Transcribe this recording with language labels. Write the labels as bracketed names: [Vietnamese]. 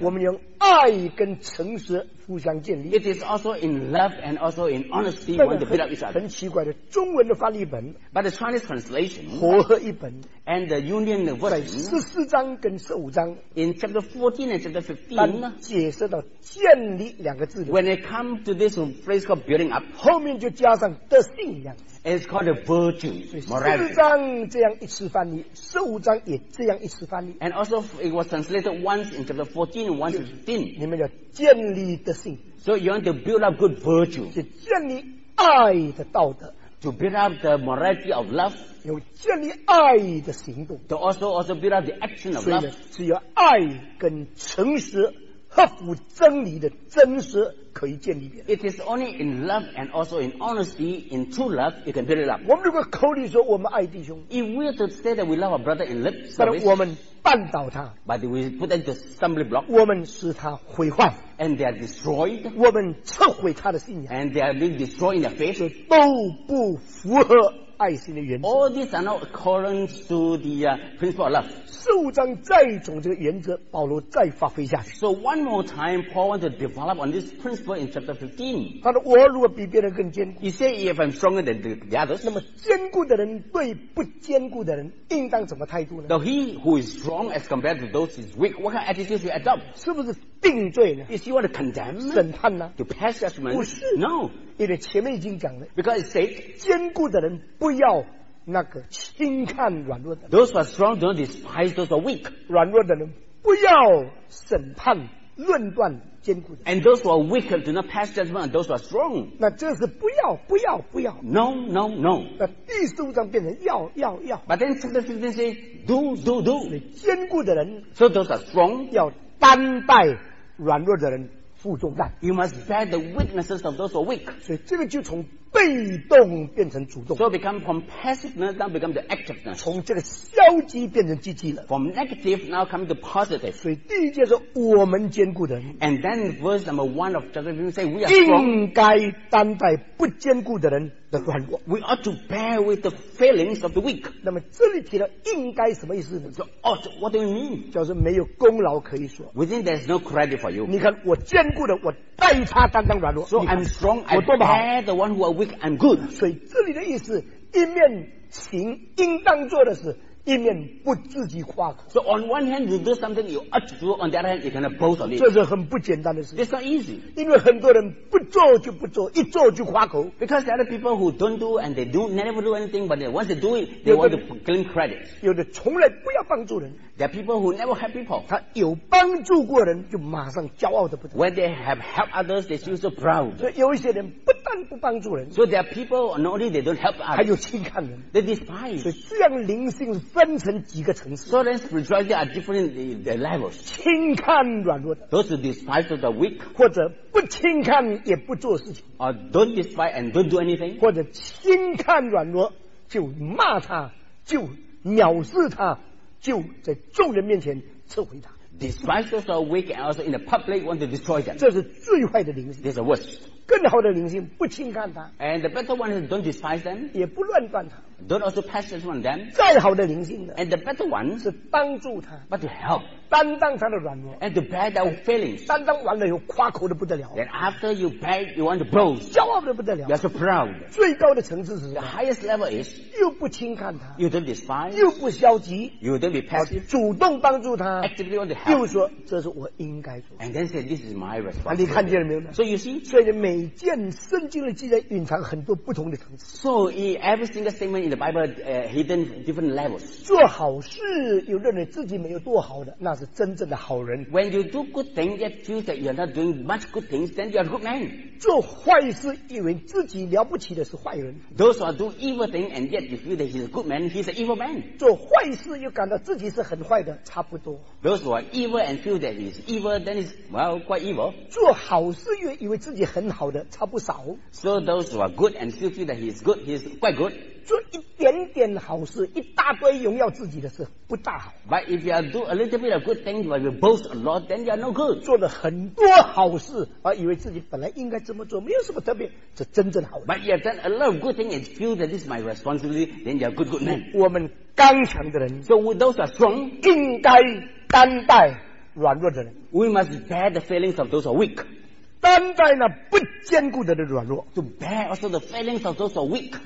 [Chinese] 我们用爱跟诚实互相建立。 [English] It is also in love and also in honesty, want to build up each other. [Chinese] 很奇怪的中文的翻译本。 [English] But the Chinese translation. [Chinese] 和合一本 [English] and the union version [Chinese] 十四章跟十五章 [English] in chapter 14 and chapter 15 [Chinese] 解释到建立两个字 [English] when it comes to this phrase called building up [Chinese] 后面就加上的信仰 [English] it's called a virtue morality [Chinese] 十四章这样一次翻译十五章也这样一次翻译 [English] and also it was translated once in chapter 14 and once in 15 [Chinese] 你们叫建立的信 [English] so you want to build up good virtue [Chinese] 是建立爱的道德 [English] To build up the morality of love. [Chinese] 有建立爱的行动。 [English] To also build up the action of love. [Chinese] 所以只有爱跟诚实合乎真理的真实可以建立。 [English] It is only in love and also in honesty, in true love, you can build it up. [Chinese] 我们如果口里说我们爱弟兄。 [English] If we are to say that we love our brother in lips, [Chinese] 但我们绊倒他。 [English] But we put them to stumbling block. [Chinese] 我们使他毁坏。 [English] And they are destroyed. [Chinese] 我们摧毁他的信仰。 [English] And they are being destroyed in their faith. [Chinese] 所以都不符合爱心的原则。 [English] All these are not according to the principle of love. [Chinese] 十五章再从这个原则，保罗再发挥下去。 [English] So one more time, Paul wants to develop on this principle in chapter 15. [Chinese] 他说：“我如果比别人更坚固。” [English] He said, "If I'm stronger than the others." [Chinese] 那么坚固的人对不坚固的人应当怎么态度呢 [English] ？Now he who is strong as compared to those who is weak, what kind of attitude should adopt? [Chinese] 是不是定罪呢 [English] ？Is he want to condemn? [Chinese] 审判呢 [English] ？To pass judgment? [Chinese] 不是 [English] ，No。 [Chinese] 因为前面已经讲了 [English] ，because it said [Chinese] 坚固的人不要那个轻看软弱的人。 [English] Those who are strong do not despise those who are weak。 [Chinese] 软弱的人不要审判论断坚固的人。 [English] And those who are weak do not pass judgment on those who are strong。 [Chinese] 那这是不要不要不要。 [English] No no no。 [Chinese] 那第十五章变成要要要。 [English] But then chapter 15 says do do do。 [Chinese] 坚固的人 [English] ，so those are strong [Chinese] 要担待软弱的人。负重担 [English] You must bear the weaknesses of those who are weak. [Chinese] 所以这个就从被动变成主动 [English] So become from passiveness, now become the activeness. [Chinese] 从这个消极变成积极了 [English] From negative, now coming to positive. [Chinese] 所以第一节说我们坚固的人 [English] And then verse number one of chapter 15 say we are [Chinese] 应该担待不坚固的人的软弱 [English] We ought to bear with the failings of the weak. [Chinese] 那么这里提到应该什么意思呢 [English] So ought, what do you mean? [Chinese] 就是没有功劳可以说 [English] Within there's no credit for you. [Chinese] 你看我坚坚固的我代他担当软弱 [English] So I'm strong I bear the one who are weak I'm good [Chinese] 所以这里的意思一面行应当做的事一面不自己夸口 [English] So on one hand you do something you ought to do on the other hand you cannot boast on it [Chinese] 这是很不简单的事 [English] It's not easy [Chinese] 因为很多人不做就不做一做就夸口 [English] Because there are people who don't do and they do never do anything but once they do it they want to claim credit [Chinese] 有的从来不要帮助人 [English] There are people who never help people [Chinese] 他有帮助过人就马上骄傲的不得 [English] When they have helped others they feel so proud [Chinese] 所以有一些人不半不帮助人。 [English] So there are people not only they don't help others， [Chinese] 还有轻看人。 [English] They despise。 [Chinese] 所以这样灵性分成几个层次。 [English] So then spirituality are different the levels。 [Chinese] 轻看软弱的。 [English] Those who despise the weak。 [Chinese] 或者不轻看也不做事情。 [English] Or don't despise and don't do anything。 [Chinese] 或者轻看软弱就骂他，就藐视他，就在众人面前撤回他。 [English] Despise those who are weak and also in the public want to destroy them. [Chinese] 这是最坏的灵性。 [English] This is worse. [Chinese] 更好的灵性不轻看他。 [English] And the better one is don't despise them. [Chinese] 也不乱断他。 [English] Don't also pass this on them. [Chinese] 再好的灵性的。 [English] And the better one [Chinese] 是帮助他。 [English] But to help. [Chinese] 担当他的软弱。 [English] And to bear their feelings. [Chinese] 担当完了以后夸口的不得了。 [English] Then after you bear, you want to boast. [Chinese] 骄傲的不得了。 [English] You are so proud. [Chinese] 最高的层次是。 [English] The highest level is. [Chinese] 又不轻看他。 [English] You don't despise. [Chinese] 又不消极。 [English] You don't be passive. [Chinese] 主动帮助他。 [English] Actively want to help. [Chinese] 又说这是我应该做。 [English] And then say this is my responsibility. [Chinese] 你看见了没有呢？ [English] So you see. [Chinese] 所以每件圣经的记载蕴藏很多不同的层次。 [English] So every single statement in the Bible hidden different levels. [Chinese] 做好事又认为自己没有多好的，那是真正的好人。 [English] When you do good things yet feel that you are not doing much good things, then you are a good man. [Chinese] 做坏事以为自己了不起的是坏人。 [English] Those who do evil things and yet you feel that he's a good man, he's an evil man. [Chinese] 做坏事又感到自己是很坏的，差不多。 [English] Those who are evil and feel that he's evil, then he's well quite evil. [Chinese] 做好事又以为自己很好的，差不少。 [English] So those who are good and still feel that he's good, he's quite good. [Chinese] 做一点点好事，一大堆荣耀自己的事，不大好。 [English] But if you do a little bit of good things, but you boast a lot, then you are no good. [Chinese] 做了很多好事，而以为自己本来应该这么做，没有什么特别，这真正好。 [English] But you have done a lot of good things and feel that this is my responsibility, then you are good good man. [Chinese] 我们刚强的人 [English] ，So with those who are strong, [Chinese] 应该担待软弱的人。 [English] We must bear the feelings of those who are weak. [Chinese] 担待那不坚固的软弱 [English] ，to bear also the feelings of those who are weak，